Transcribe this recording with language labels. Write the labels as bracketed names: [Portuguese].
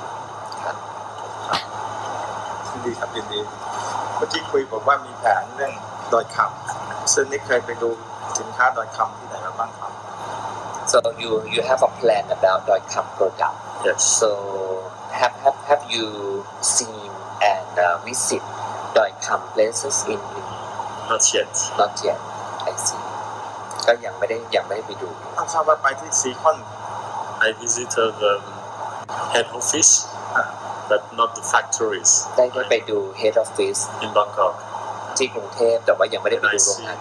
[Thai] ดีครับดีเมื่อกี้คุยบอกว่ามีแผนเรื่องดอยคำซึ่งนี่เคยไปดูสินค้าดอยคำที่ไหนมาบ้างครับ [English] so you have a plan about ดอยคำ product yes so have you seen and visit ดอยคำ places in not yet I see [Thai] ก็ยังไม่ไปดู ต้องทราบว่าไปที่ซีคอน [English] I visited the head officeBut not the factories. [Thai] ได้ไปดู head office [English] in Bangkok [Thai] ที่กรุงเทพแต่ว่ายังไม่ได้ไปดูโรงงาน